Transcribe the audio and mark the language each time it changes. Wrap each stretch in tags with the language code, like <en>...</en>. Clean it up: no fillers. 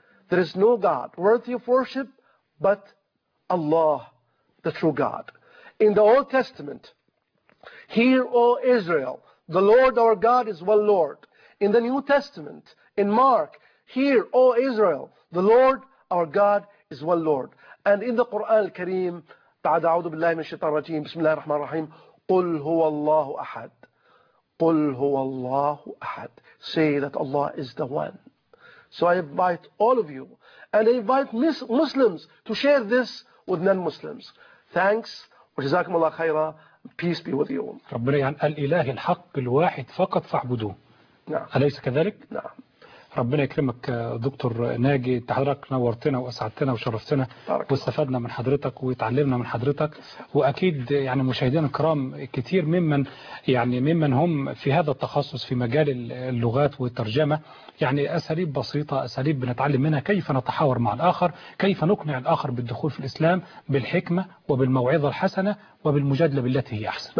<en>There is no God worthy of worship but Allah, the true God. In the Old Testament, Hear, O Israel, the Lord our God is one Lord. In the New Testament, in Mark, Hear, O Israel, the Lord our God is one Lord. And in the Quran al-Kareem,</en> <ar>بعد أعوذ بالله من الشيطان الرجيم بسم الله الرحمن الرحيم قل هو الله أحد. قل هو الله أحد.</ar> <en>Say that Allah is the one. So I invite all of you, and I invite Muslims to share this with non-Muslims. Thanks.</en> <ar>وجزاكم الله خيرا.</ar> <en>Peace be with you.</en> <ar>ربنا يعني الإله الحق الواحد فقط فاعبدوه. نعم. أليس كذلك؟ نعم. ربنا يكرمك دكتور ناجي، حضرتك نورتنا واسعدتنا وشرفتنا واستفدنا من حضرتك وتعلمنا من حضرتك، واكيد يعني مشاهدينا الكرام كتير ممن هم في هذا التخصص في مجال اللغات والترجمه، يعني اساليب بسيطه، اساليب بنتعلم منها كيف نتحاور مع الاخر، كيف نقنع الاخر بالدخول في الاسلام بالحكمه وبالموعظه الحسنه وبالمجادله بالتي هي احسن.</ar>